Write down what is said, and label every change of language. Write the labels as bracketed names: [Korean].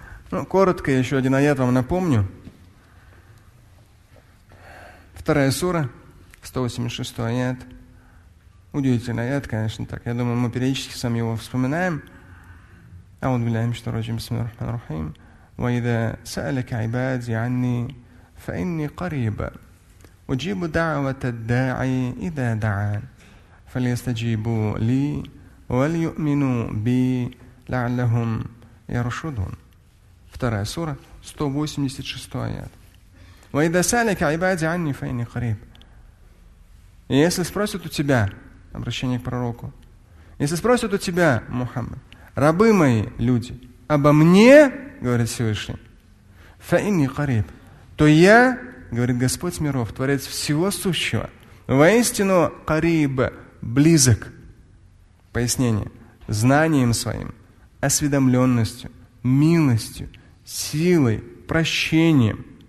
[Russian] Ну, коротко еще один аят вам напомню. Вторая сура, 186 аят. Удивительный аят, конечно, так. Я думаю, мы периодически сам его вспоминаем. А вот [Arabic] Аудбилляхи мин шайтанир раджим, бисмиллахир рахманир рахим. وإذا سألك عبادي عني فإني قريب أجيب دعوة الداعي إذا دعان فليستجيبوا لي وليؤمنوا بي لعلهم يرشدون. [Russian] Вторая сура, 186 аят. [Arabic] وإذا سألك عبادي عني فإني قريب. [Russian] Если спросят у тебя, обращение к пророку, если спросят у тебя, Мухаммад, рабы мои, люди, обо мне, говорит Всевышний, [Arabic] фаинни кариб, [Russian] то я, говорит Господь миров, творец всего сущего, воистину кариб, близок, пояснение, знанием своим, осведомленностью, милостью, силой, прощением.